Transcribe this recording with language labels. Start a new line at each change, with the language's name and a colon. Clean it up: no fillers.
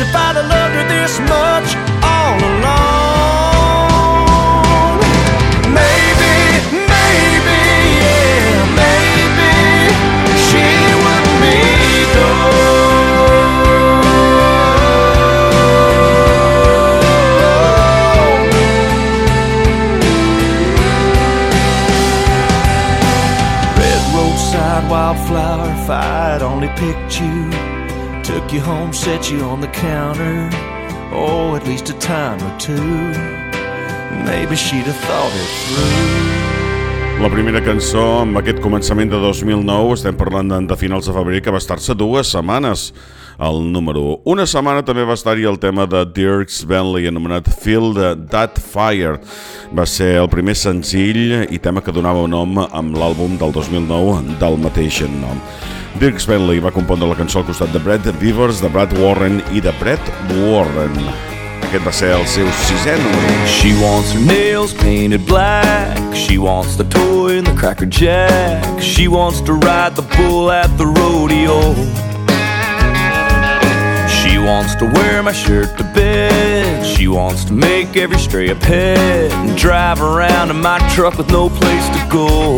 English: If I'd have loved her this much all along, maybe, maybe, yeah, maybe she would be gone. Red roadside wildflower, if I'd only picked you, took you home, set you on the counter, oh, at least a time or two, maybe she'd have thought it through.
Catalan: La primera cançó amb aquest començament de 2009, estem parlant de finals de febrer, que va estar-se dues setmanes al número 1. Una setmana també va estar-hi el tema de Dierks Bentley, anomenat Feel That Fire. Va ser el primer senzill i tema que donava un nom amb l'àlbum del 2009 del mateix nom. Dierks Bentley va compondre la cançó al costat de Brett Beavers, de Brad Warren i de Brett Warren. Aquest va ser el seu sisè número.
English: She wants her nails painted black. She wants the toy in the Cracker Jack. She wants to ride the bull at the rodeo. She wants to wear my shirt to bed. She wants to make every stray a pet and drive around in my truck with no place to go.